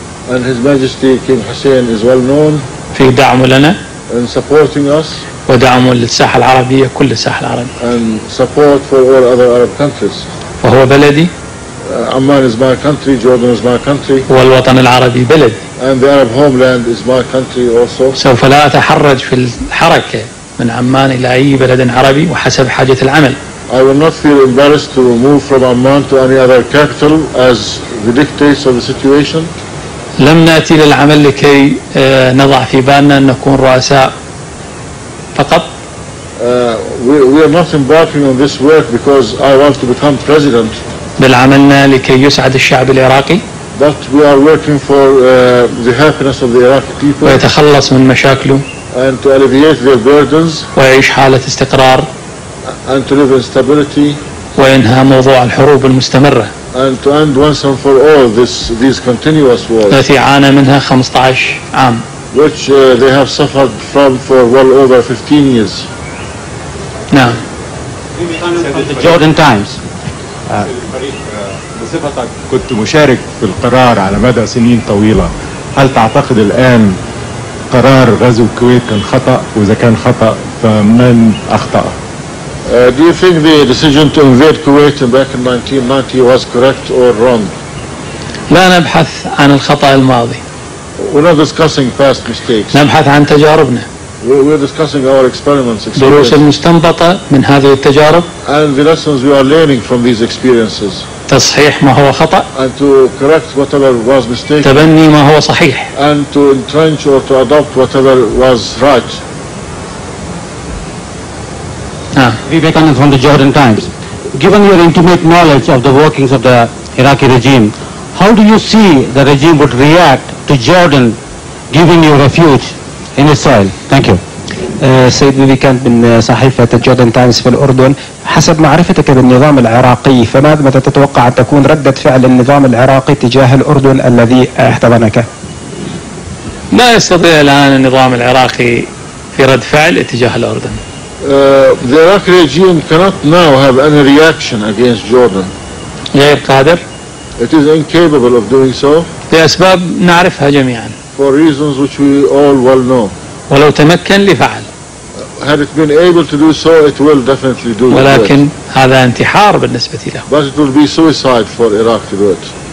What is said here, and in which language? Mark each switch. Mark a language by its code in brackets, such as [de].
[en] And His Majesty King Hussein is well known. [ar] في دعمه لنا. [en] In supporting us. [ar] ودعمه للساحة العربية كل الساحة العربية. [en] And support for all other Arab countries. [ar] فهو بلدي. [en] Amman is my country, Jordan is my country. [ar] والوطن العربي بلدي. [en] And the Arab homeland is my country also. [ar] سوف لا أتحرج في الحركة من عمان إلى أي بلد عربي وحسب حاجة العمل. [en] I will not feel embarrassed to move from Amman to any other capital as the dictates of the situation. [ar] لم نأتي للعمل لكي نضع في بالنا أن نكون رؤساء فقط. [en] We are not embarking on this work because I want to become president. [ar] بل عملنا لكي يسعد الشعب العراقي. [en] But we are working for the happiness of the Iraqi people. [ar] ويتخلص من مشاكله. [en] And to alleviate their burdens. [ar] ويعيش حالة استقرار. [en] And to live in stability. [ar] وينهى موضوع الحروب المستمرة. [en] And to end once and for all these continuous wars. [ar] التي عانى منها 15 عام. [en] Which they have suffered from for well over 15 years. [ar] نعم. [en] Jordan Times. [ar] بصفتك كنت مشارك في القرار على مدى سنين طويلة، هل تعتقد الآن قرار غزو الكويت كان خطأ؟ وإذا كان خطأ فمن أخطأ؟ [en] Do you think the decision to invade Kuwait back in 1990 was correct or wrong? [ar] لا نبحث عن الخطأ الماضي. [en] We're not discussing past mistakes. [ar] نبحث عن تجاربنا. [en] We're discussing our experiments. [ar] دروس المستنبطة من هذه التجارب. [en] And the lessons we are learning from these experiences. [ar] تصحيح ما هو خطأ. [en] And to correct whatever was mistaken. [ar] تبني ما هو صحيح. [en] And to entrench or to adopt whatever was right. Vivek Anand from the Jordan Times. Given your intimate knowledge of the workings of the Iraqi regime, how do you see the regime would react to Jordan giving you refuge in Israel? Thank you. [ar] سيد Vivek Anand من صحيفة Jordan Times في الأردن. حسب معرفتك بالنظام العراقي، فماذا تتوقع أن تكون ردة فعل النظام العراقي تجاه الأردن الذي احتضنك؟ ما يستطيع الآن النظام العراقي في رد فعل تجاه الأردن. [en] The Iraqi regime cannot now have any reaction against Jordan. [ar] غير قادر. [en] It is incapable of doing so. [ar] لأسباب نعرفها جميعا. [en] For reasons which we all well know. [ar] ولو تمكن لفعل. [en] Had it been able to do so, it will definitely do. [ar] ولكن هذا انتحار بالنسبة له. [en] But it will be suicide for Iraq to do it.